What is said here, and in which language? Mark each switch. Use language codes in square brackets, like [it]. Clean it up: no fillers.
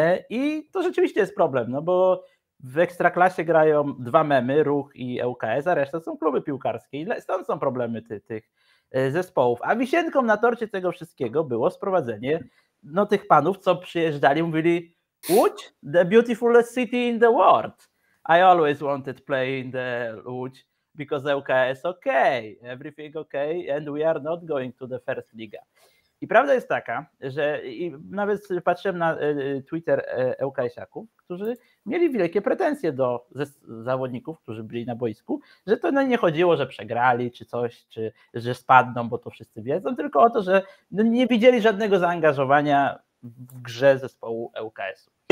[pl] I to rzeczywiście jest problem, no bo w Ekstraklasie grają dwa memy, Ruch i ŁKS, a reszta są kluby piłkarskie i stąd są problemy tych zespołów. A wisienką na torcie tego wszystkiego było sprowadzenie no, tych panów, co przyjeżdżali, mówili Łódź, [en] the beautifulest city in the world. I always wanted to play in the Łódź because ŁKS okay, everything okay and we are not going to the first league. [pl] I prawda jest taka, że i nawet patrzyłem na Twitter ŁKS-aków, którzy mieli wielkie pretensje do zawodników, którzy byli na boisku, że to nie chodziło, że przegrali czy coś, czy że spadną, bo to wszyscy wiedzą, tylko o to, że nie widzieli żadnego zaangażowania w grze zespołu ŁKS-u.